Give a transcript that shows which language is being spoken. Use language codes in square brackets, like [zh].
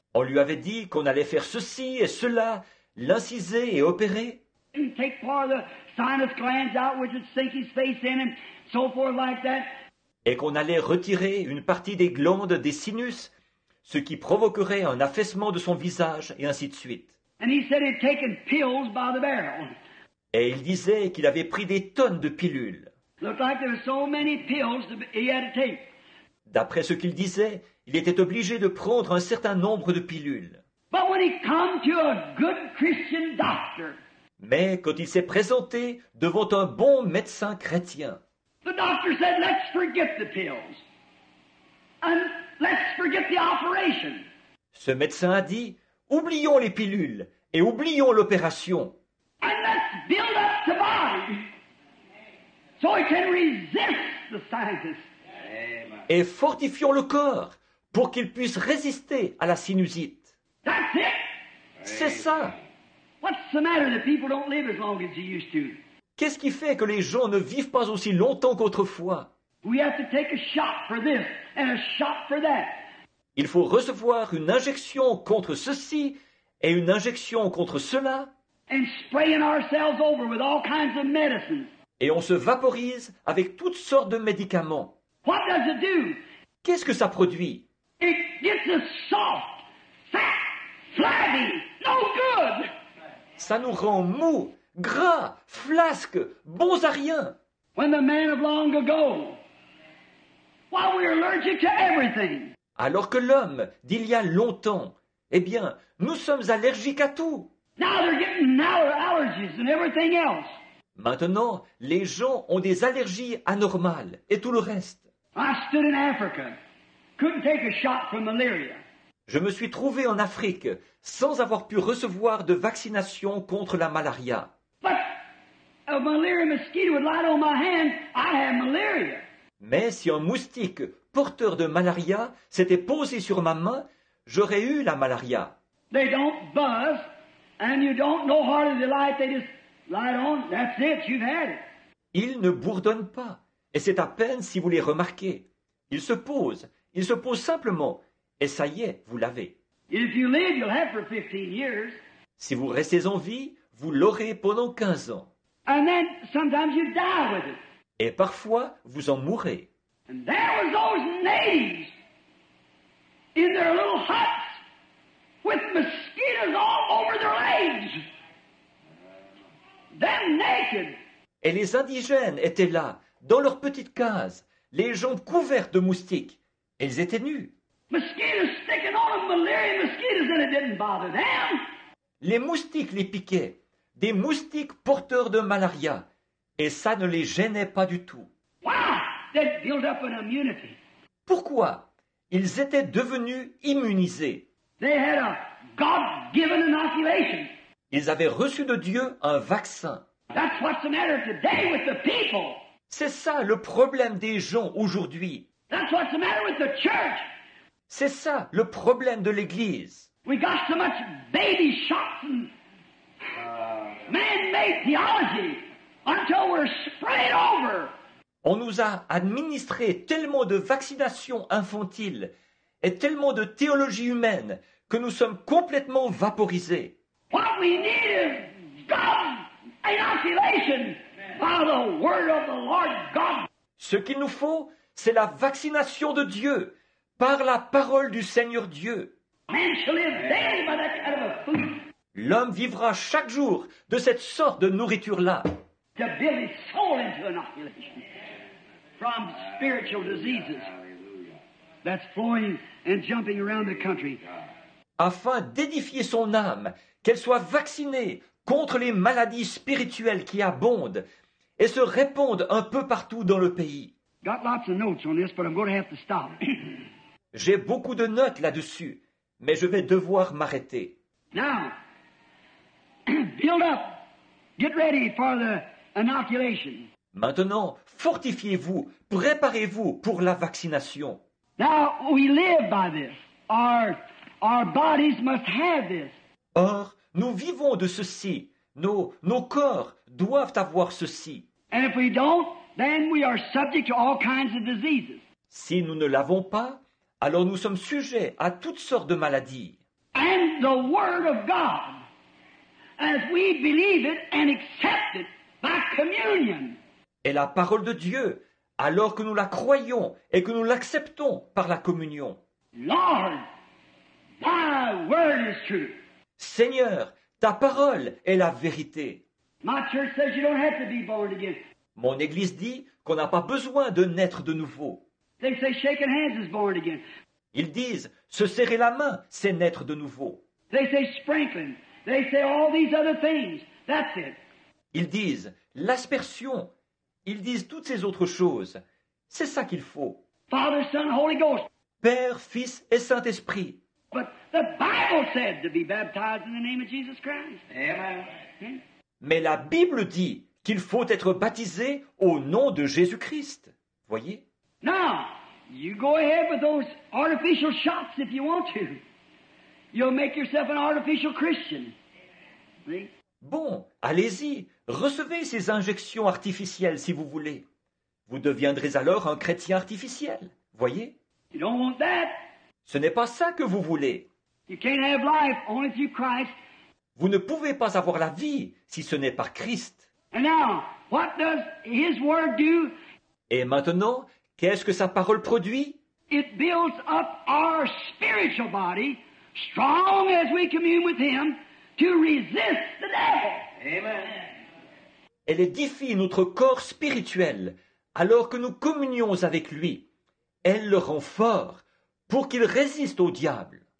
[fr] On lui avait dit qu'on allait faire ceci et cela, l'inciser et opérer. [en] And take part of the sinus glands out, which would sink his face in, and so forth like that. [fr] Et qu'on allait retirer une partie des glandes des sinus, ce qui provoquerait un affaissement de son visage, et ainsi de suite. [en] And he said he'd taken pills by the barrel. [fr] Et il disait qu'il avait pris des tonnes de pilules. [en] Looked like there were so many pills he had to take. [fr] D'après ce qu'il disait, il était obligé de prendre un certain nombre de pilules. [en] But when he came to a good Christian doctor. [fr] Mais quand il s'est présenté devant un bon médecin chrétien, [en] the doctor said, let's forget the pills. And let's forget the operation. [fr] Ce médecin a dit, oublions les pilules et oublions l'opération. [en] And let's build up the body so it can resist the sinus. [fr] Et fortifions le corps pour qu'il puisse résister à la sinusite. [en] That's it. [fr] C'est ça. [en] What's the matter that people don't live as long as they used to? [fr] Qu'est-ce qui fait que les gens ne vivent pas aussi longtemps qu'autrefois? [en] We have to take a shot for this and a shot for that. [fr] Il faut recevoir une injection contre ceci et une injection contre cela. [en] And spraying ourselves over with all kinds of medicines. [fr] Et on se vaporise avec toutes sortes de médicaments. [en] What does it do? [fr] Qu'est-ce que ça produit? [en] It gets us soft, fat, flabby, no good. [fr] Ça nous rend mou, gras, flasques, bons à rien. [en] When the man of long ago while we're allergic to everything. [fr] Alors que l'homme, d'il y a longtemps, eh bien, nous sommes allergiques à tout. [en] Now they're getting allergies and everything else. [fr] Maintenant, les gens ont des allergies anormales et tout le reste. [en] I stood in Africa, couldn't take a shot for malaria. [fr] Je me suis trouvé en Afrique sans avoir pu recevoir de vaccination contre la malaria. [en] But a malaria mosquito would light on my hand, I have malaria. [fr] Mais si un moustique porteur de malaria s'était posé sur ma main, j'aurais eu la malaria. [en] They don't buzz, and you don't know hardly the light. They just light on. That's it. You've had it. [fr] Ils ne bourdonnent pas, et c'est à peine si vous les remarquez. Ils se posent simplement, et ça y est, vous l'avez. [en] If you live, you'll have for 15 years. [fr] Si vous restez en vie, vous l'aurez pendant 15 ans. [en] And then sometimes you die with it. [fr] Et parfois, vous en mourrez. [en] And there was those natives in their little huts with mosquitoes all over their legs. Them naked. [fr] Et les indigènes étaient là, dans leur petite case, les jambes couvertes de moustiques. Elles étaient nues. [en] Mosquitoes sticking on them, malaria mosquitoes, and it didn't bother them. [fr] Les moustiques les piquaient. Des moustiques porteurs de malaria. Et ça ne les gênait pas du tout. [en] Wow, they'd build up an immunity. [fr] Pourquoi? Ils étaient devenus immunisés. [en] They had a God-given inoculation. [fr] Ils avaient reçu de Dieu un vaccin. [en] That's what's the matter today with the people. [fr] C'est ça le problème des gens aujourd'hui. [en] That's what's the matter with the church. [fr] C'est ça le problème de l'Église. [en] We got so much baby shots and man-made theology until we're sprayed over. [fr] On nous a administré tellement de vaccinations infantiles et tellement de théologie humaine que nous sommes complètement vaporisés. [en] What we need is God's inoculation by the word of the Lord God. [fr] Ce qu'il nous faut, c'est la vaccination de Dieu par la parole du Seigneur Dieu. [en] Man shall live daily by that kind of a food. [fr] L'homme vivra chaque jour de cette sorte de nourriture-là. [en] To build his soul into inoculation from spiritual diseases that's flowing and jumping around the country. [fr] Afin d'édifier son âme, qu'elle soit vaccinée contre les maladies spirituelles qui abondent et se répandent un peu partout dans le pays. [en] Got lots of notes on this, but I'm going to have to stop. [fr] J'ai beaucoup de notes là-dessus, mais je vais devoir m'arrêter. [en] Now, build up. Get ready for the inoculation. [fr] Maintenant, fortifiez-vous, préparez-vous pour la vaccination. [en] Now we live by this. Our bodies must have this. [fr] Or, nous vivons de ceci. Nos corps doivent avoir ceci. [en] And if we don't, then we are subject to all kinds of diseases. [fr] Si nous ne l'avons pas, alors nous sommes sujets à toutes sortes de maladies. [en] And the word of God, as we believe it and accept it by communion. [fr] Et la parole de Dieu, alors que nous la croyons et que nous l'acceptons par la communion. [en] Lord, thy word is true. [fr] Seigneur, ta parole est la vérité. [en] My church says you don't have to be born again. [fr] Mon église dit qu'on n'a pas besoin de naître de nouveau. [en] They say shaking hands is born again. [fr] Ils disent, se serrer la main, c'est naître de nouveau. [en] They say sprinkling. They say all these other things. That's it. [fr] Ils disent l'aspersion. Ils disent toutes ces autres choses. C'est ça qu'il faut. [en] Father, Son, Holy Ghost. [fr] Père, Fils et Saint-Esprit. [en] But the Bible said to be baptized in the name of Jesus Christ. Amen. [fr] Mais la Bible dit qu'il faut être baptisé au nom de Jésus-Christ. Voyez. [en] Now, you go ahead with those artificial shots if you want to. You'll make yourself an artificial Christian. See? [fr] Bon, allez-y. Recevez ces injections artificielles si vous voulez. Vous deviendrez alors un chrétien artificiel. Voyez? [en] You don't want that. [fr] Ce n'est pas ça que vous voulez. [en] You can't have life only through Christ. [fr] Vous ne pouvez pas avoir la vie si ce n'est par Christ. [en] And now, what does his word do? [fr] Et maintenant, qu'est-ce que sa parole produit? [en] It builds up our spiritual body. Strong as we commune with him to resist the devil. Amen. [fr] Elle édifie notre corps spirituel alors que nous communions avec lui Elle le rend fort pour qu'il résiste au diable.